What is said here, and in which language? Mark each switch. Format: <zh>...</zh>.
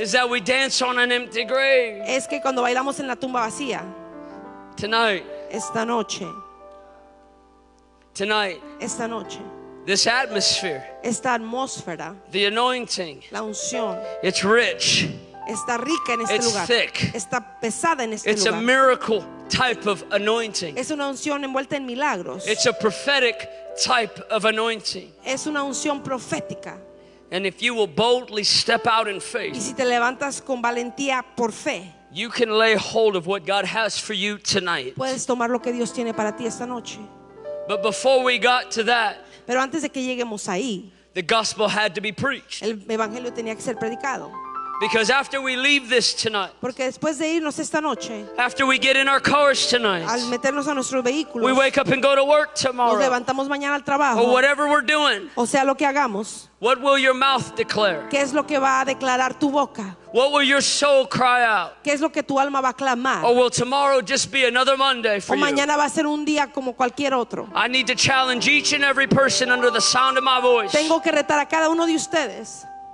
<en>Is that we dance on an empty grave.</en> <es>Es que cuando bailamos en la tumba vacía.</es> <en>Tonight.</en> <es>Esta noche.</es> <en>Tonight.</en> <es>Esta noche.</es> <en>This atmosphere.</en> <es>Esta atmósfera.</es> <en>The anointing.</en> <es>La unción.</es> <en>It's rich.</en> <es>Está rica en este</es> <en>it's</en> <es>lugar.</es> <en>It's thick.</en> <es>Está pesada en este</es> <en>it's</en> <es>lugar.</es> <en>It's a miracle type of anointing.</en> <es>Es una unción envuelta en milagros.</es> <en>It's a prophetic type of anointing.</en> <es>Es una unción profética.</es> <en>And if you will boldly step out in faith.</en> <es>Y si te levantas con valentía por fe.</es> <en>You can lay hold of what God has for you tonight.</en> <es>Puedes tomar lo que Dios tiene para ti esta noche.</es> <en>But before we got to that.</en> <es>Pero antes de que lleguemos ahí.</es> <en>The gospel had to be preached.</en> <es>El evangelio tenía que ser predicado.</es> <en>Because after we leave this tonight.</en> <es>Porque después de irnos esta noche.</es> <en>After we get in our cars tonight.</en> <es>Al meternos a nuestros vehículos.</es> <en>We wake up and go to work tomorrow.</en> <es>Nos levantamos mañana al trabajo.</es> <en>Or whatever we're doing.</en> <es>O sea, lo que hagamos.</es> <en>What will your mouth declare?</en> <es>¿Qué es lo que va a declarar tu boca?</es> <en>What will your soul cry out?</en> <es>¿Qué es lo que tu alma va a clamar?</es> <en>Or will tomorrow just be another Monday for</en> <es>o mañana</es> <en>you?</en> <es>Va a ser un día como cualquier otro.</es> <en>I need to challenge each and every person under the sound of my voice.</en> <es>Tengo que retar a cada uno de ustedes.</es>